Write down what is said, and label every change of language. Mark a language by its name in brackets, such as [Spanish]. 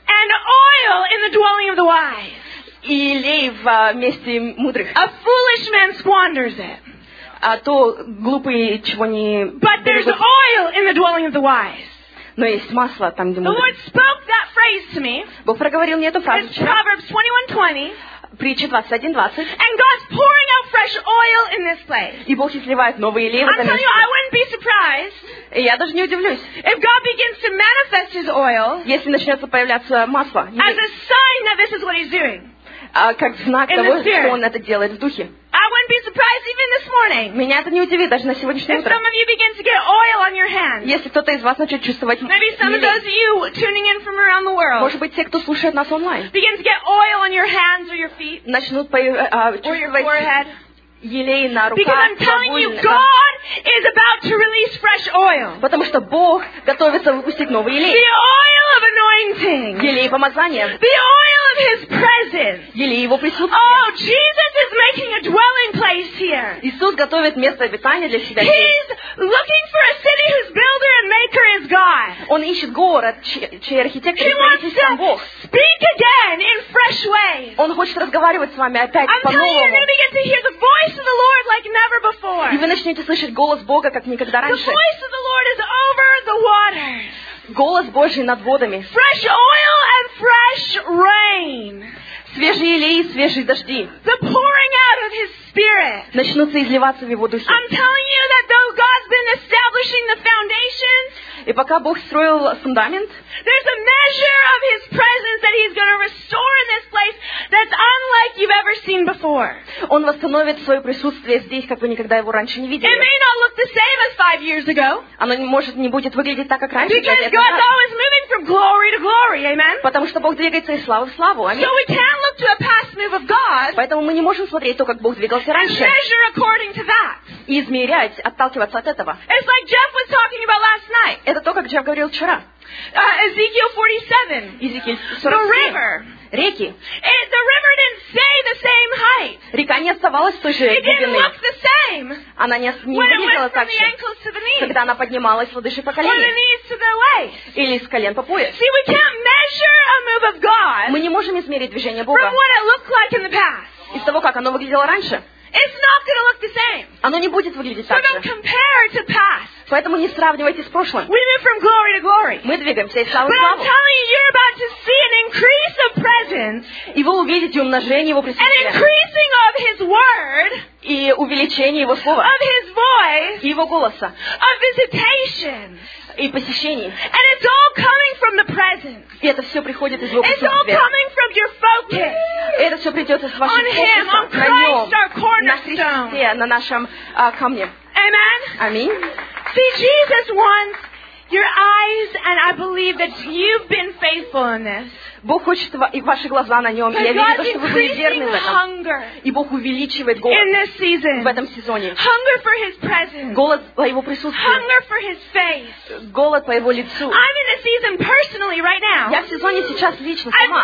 [English] And oil in the dwelling of the wise. [Russian] И лей в месте мудрых. [English] A foolish man squanders it. [Russian] А то глупый чего не. [English] But there's oil in the dwelling of the wise. [Russian] Но есть масло там, где мудрый. [English] The Lord spoke that phrase to me. [Russian] Бог проговорил мне эту фразу. [English] It's Proverbs 21:20. [Russian] Притча 21:20. [English] And God's pouring out fresh oil in this place. [Russian] И Бог изливает новые лейлы. [English] I'm telling you, I wouldn't be surprised. [Russian] И я даже не удивлюсь. [English] If God begins to manifest His oil. [Russian] Если начнется появляться масло. [English] As a sign that this is what He's doing. [Russian] Как знак того, что Он это делает в духе. [English] I wouldn't be surprised even this morning. [Russian] Меня это не удивит даже на сегодняшнее утро. [English] If some of you begin to get oil on your hands. [Russian] Если кто-то из вас начнет чувствовать. [English] Maybe some of those of you tuning in from around the world. [Russian] Может быть, те, кто слушает нас онлайн. [English] Begin to get oil on your hands or your feet. [Russian] Начнут чувствовать. [English] Or your forehead. [Russian] Елей на руках. [English] Because I'm telling you, God is about to release fresh oil. [Russian] Потому что Бог готовится выпустить новый елей. [English] The oil of anointing. [Russian] Елей помазания. [English] The oil of His presence. [Russian] Елей его присутствия. [English] Oh, Jesus is making a dwelling place here. [Russian] Иисус готовит место обитания для себя. [English] He's looking for a city whose builder and maker is God. [Russian] Он ищет город, чей архитектор и строитель сам Бог. [English] He wants to speak again in fresh ways. [Russian] Он хочет разговаривать с вами опять по-новому. [English] I'm telling you, you're going to begin to hear the voice. The voice of the Lord like never before. [Russian] И вы начнете слышать голос Бога как никогда раньше. [English] The voice of the Lord is over the waters. [Russian] Голос Божий над водами. [English] Fresh oil and fresh rain. [Russian] Свежий елей и свежие дожди. [English] The pouring out of His Spirit. [Russian] Начнутся изливаться в Его духе. [English] I'm telling you that though God's been establishing the foundations. [Russian] И пока Бог строил фундамент. [English] There's a measure of His presence that He's going to restore in this place that's unlike you've ever seen before. [Russian] Он восстановит свое присутствие здесь, как вы никогда его раньше не видели. [English] It may not look the same as 5 years ago. [Russian] Оно может не будет выглядеть так, как раньше. [English] Because God's always moving from glory to glory, amen. [Russian] Потому что Бог двигается из славы в славу. [English] So we can't look to a past move of God. [Russian] Поэтому мы не можем смотреть то, как Бог двигался раньше. [English] And measure according to that. [Russian] И измерять, отталкиваться от этого. [English] It's like Jeff was talking about last night. [Russian] Это то, как Джефф говорил вчера. [English] Ezekiel 47. The river. [Russian] Реки. [English] The river didn't stay the same height. [Russian] Река не оставалась той же глубины. [English] It didn't look the same. [Russian] Она не выглядела так же. Когда она поднималась выше по колено. Или с колен по пояс. [English] See, we can't measure a move of God. [Russian] Мы не можем измерить движение Бога. [English] From what it looked like in the past. [Russian] Из того, как оно выглядело раньше. [English] It's not going to look the same. [Russian] Оно не будет выглядеть так же. [English] So don't compare to past. [Russian] Поэтому не сравнивайте с прошлым. [English] We move from glory to glory. [Russian] Мы двигаемся из славы в славу. [English] But I'm telling you, you're about to see an increase of presence. [Russian] И вы увидите умножение Его присутствия. [English] An increasing of His word. [Russian] И увеличение Его слова. [English] Of His voice. [Russian] И Его голоса. [English] Of visitation. [Russian] И посещений. [English] And it's all coming from the presence. [Russian] И это все приходит из Его присутствия. [English] It's all coming from your focus. [Russian] И это все придет из вашего [English] on [Russian] фокуса. [English] Him, on Christ, [Russian] на Нем, [English] our cornerstone. [Russian] На Христе, на нашем камне. [English] Amen. [Russian] Аминь. [English] See, Jesus wants your eyes, and I believe that you've been faithful in this. [Russian] Бог хочет ваши глаза на нем. Я верю, что вы были верны в этом. И Бог увеличивает голод в этом сезоне. [English] Hunger for His presence. [Russian] Голод по Его присутствию. [English] Hunger for His face. [Russian] Голод по Его лицу. [English] I'm in the season personally right now. [Russian] Я в сезоне сейчас лично сама.